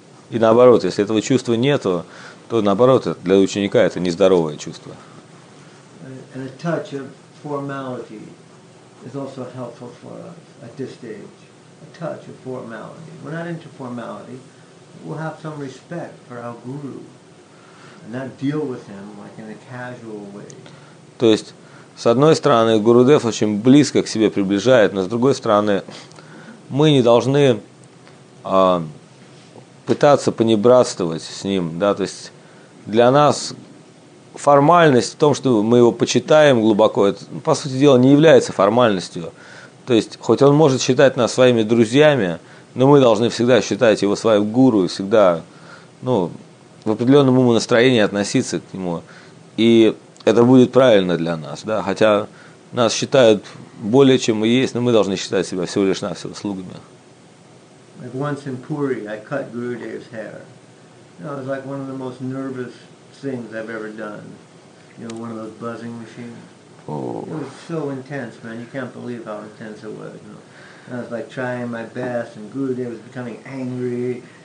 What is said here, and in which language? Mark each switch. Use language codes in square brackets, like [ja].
[ru] И наоборот, если этого чувства нету, то наоборот, для ученика это нездоровое чувство. [en] And a touch of formality is also helpful for us at this stage. A touch of formality. We're not into formality. We'll have some respect for our guru and not deal with him like in a casual way. [ru] То есть, с одной стороны, Гурудев очень близко к себе приближает, но с другой стороны, мы не должны пытаться понебратствовать с ним, да, то есть для нас формальность в том, что мы его почитаем глубоко, это, по сути дела, не является формальностью. То есть, хоть он может считать нас своими друзьями, но мы должны всегда считать его своим гуру, всегда, ну, в определенном умонастроении относиться к нему, и это будет правильно для нас, да, хотя нас считают более, чем мы есть, но мы должны считать себя всего лишь навсего слугами. [en] Like once in Puri, I cut Gurudev's hair. You know, it was like one of the most nervous things I've ever done. You know, one of those buzzing machines. Oh. It was so intense, man. You can't believe how intense it was. You know, and I was like trying my best, and Gurudev was becoming angry.